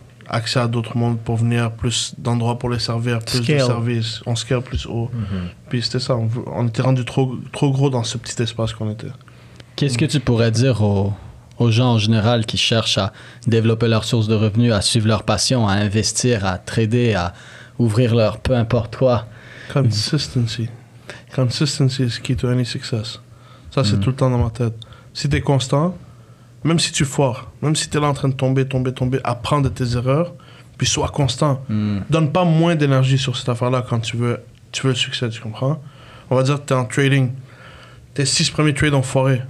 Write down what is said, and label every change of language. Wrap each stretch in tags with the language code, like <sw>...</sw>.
<fr>accès à d'autres mondes pour venir, plus d'endroits pour les servir, plus scale. De services. On scale plus haut. Mm-hmm. Puis c'était ça, on était rendu trop gros dans ce petit espace qu'on était. Qu'est-ce que tu pourrais dire aux gens en général qui cherchent à développer leur source de revenus, à suivre leur passion, à investir, à trader, à ouvrir leur peu importe quoi?</fr> <en>Consistency. Consistency is key to any success.</en> <fr>Ça, c'est tout le temps dans ma tête. Si t'es constant, même si tu foires, même si t'es là en train de tomber, apprends de tes erreurs, puis sois constant. Donne pas moins d'énergie sur cette affaire-là quand tu veux le succès, tu comprends? On va dire que t'es en trading. Tes 6 premiers trades ont foiré.</fr>